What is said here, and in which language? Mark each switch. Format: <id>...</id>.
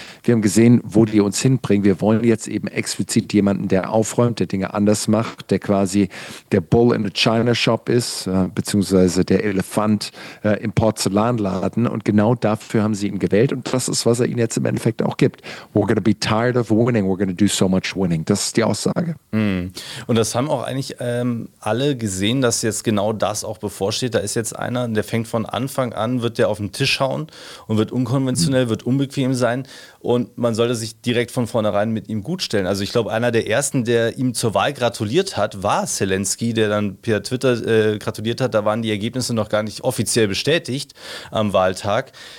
<de>Wir haben gesehen, wo die uns hinbringen. Wir wollen jetzt eben explizit jemanden, der aufräumt, der Dinge anders macht, der quasi der</de> <en>Bull in a China Shop</en> <de>ist, beziehungsweise der Elefant im Porzellanladen. Und genau dafür haben sie ihn gewählt. Und das ist, was er ihnen jetzt im Endeffekt auch gibt.</de> <en>We're gonna be tired of winning. We're gonna do so much winning.</en> <de>Das ist die Aussage. Mm. Und das haben auch eigentlich alle gesehen, dass jetzt genau das auch bevorsteht. Da ist jetzt einer, der fängt von Anfang an, wird der auf den Tisch hauen und wird unkonventionell, wird unbequem sein und man sollte sich direkt von vornherein mit ihm gutstellen. Also ich glaube, einer der ersten, der ihm zur Wahl gratuliert hat, war Zelensky, der dann per Twitter gratuliert hat. Da waren die Ergebnisse noch gar nicht offiziell bestätigt am Wahltag.</de>